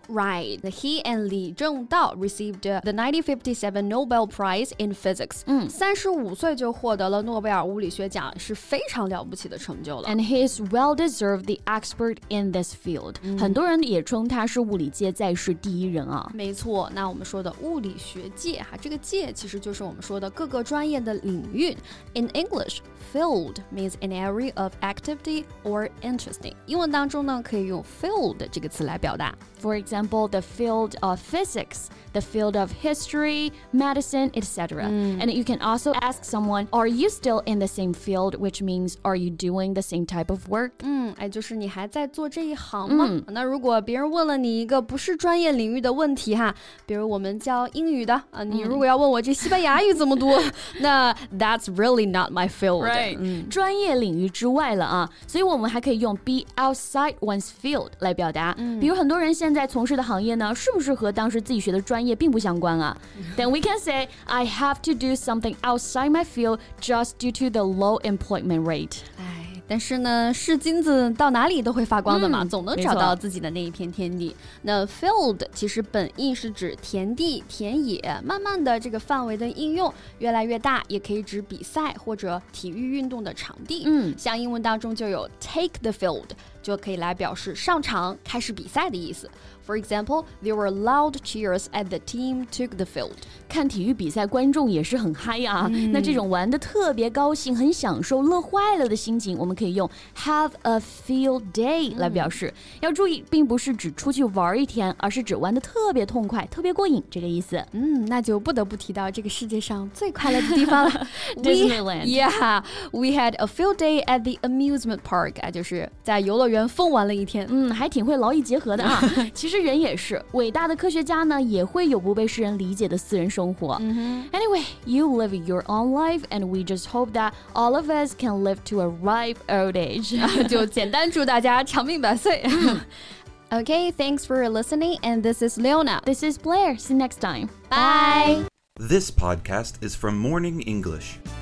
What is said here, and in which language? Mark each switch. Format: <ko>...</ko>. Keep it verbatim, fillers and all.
<en>Right, he and 李政道 received the nineteen fifty-seven Nobel Prize in Physics. 嗯，</en> <zh>三十五岁就获得了诺贝尔物理学奖，是非常了不起的成就了。</zh> <en>And he is well deserved the expert in this field.</en> <zh>很多人也称他是物理界在世第一人啊。没错，那我们说的物理学界哈，这个界其实就是我们说的各个专业的领域。</zh> <en>In English, field means an area of activity or interesting.</en> <zh>英文当中呢，可以用 field 这个词来表达。</zh> <en>For example, the field of physics, the field of history, medicine, et cetera. Mm. And you can also ask someone, are you still in the same field? Which means, are you doing the same type of work?</en> <zh>嗯，哎，就是你还在做这一行吗？嗯，那如果别人问了你一个不是专业领域的问题哈，比如我们教英语的啊，你如果要问我这西班牙语怎么读，那</zh> <en>that's really not my field. Right.</en> <zh>嗯，专业领域之外了啊，所以我们还可以用 be outside one's field 来表达。嗯，比如很多人现在从事的行业呢，是不是和当时自己学的专业并不相关啊？</zh> <en>Then we can say I have to do something outside my field just due to the low employment rate.</en> <zh>但是呢，是金子到哪里都会发光的嘛，嗯，总能找到自己的那一片天地。那 field 其实本意是指田地、田野，慢慢的这个范围的应用越来越大，也可以指比赛或者体育运动的场地。嗯，像英文当中就有 take the field， 就可以来表示上场开始比赛的意思。</zh> <en>For example, there were loud cheers as the team took the field.</en> <zh>看体育比赛，观众也是很嗨啊，嗯。那这种玩得特别高兴、很享受、乐坏了的心情，我们可以用 have a field day 来表示。嗯，要注意，并不是指出去玩一天，而是指玩得特别痛快、特别过瘾这个意思。嗯，那就不得不提到这个世界上最快乐的地方了</zh> <en>，Disneyland. Yeah, we had a field day at the amusement park.</en> <zh>啊，就是在游乐园疯玩了一天。嗯，还挺会劳逸结合的啊。其实。其实人也是，伟大的科学家呢，也会有不被世人理解的私人生活。 Mm-hmm.</zh> <en>Anyway, you live your own life, and we just hope that all of us can live to a ripe old age.</en> <zh>就简单祝大家长命百岁。</zh> <en>Okay, thanks for listening, and this is Leona. This is Blair. See you next time. Bye. This podcast is from Morning English.</en>